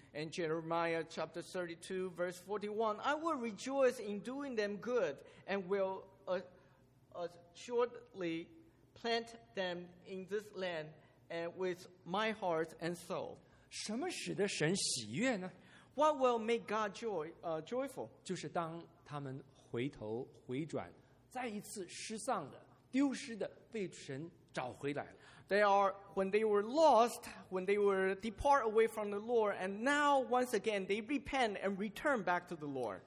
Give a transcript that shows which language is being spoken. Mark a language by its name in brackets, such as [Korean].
[English] In Jeremiah chapter 32, verse 41, I will rejoice in doing them good and will assuredly plant them in this land and with my heart and soul. [Chinese] 什么使得神喜悦呢? [English] What will make God joyful? [Chinese] 就是当他们回头回转,再一次失丧的,丢失的,被神找回来了。 [English] They are when they were lost, when they were depart away from the Lord, and now once again they repent and return back to the Lord.